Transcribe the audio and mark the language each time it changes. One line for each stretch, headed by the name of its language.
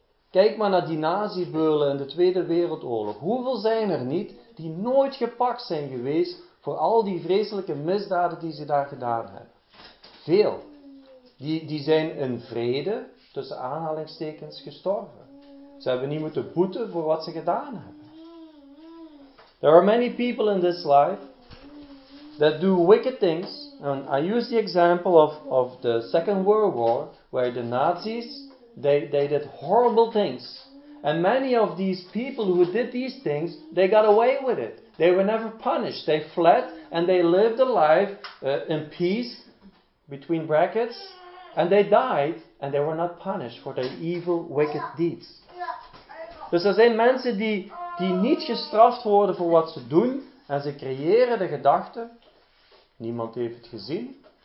Dutch: Kijk maar naar die nazi-beulen in de Tweede Wereldoorlog. Hoeveel zijn er niet die nooit gepakt zijn geweest voor al die vreselijke misdaden die ze daar gedaan hebben? Veel. Die zijn in vrede, tussen aanhalingstekens, gestorven. Ze hebben niet moeten boeten voor wat ze gedaan hebben.
English: There are many people in this life that do wicked things. And I use the example of the Second World War, where the Nazis, they did horrible things. And many of these people who did these things, they got away with it. They were never punished. They fled and they lived a life in peace, between brackets. And they died and they were not punished for their evil, wicked deeds.
Dutch: Dus er zijn mensen die niet gestraft worden voor wat ze doen. En ze creëren de gedachte, niemand heeft het gezien.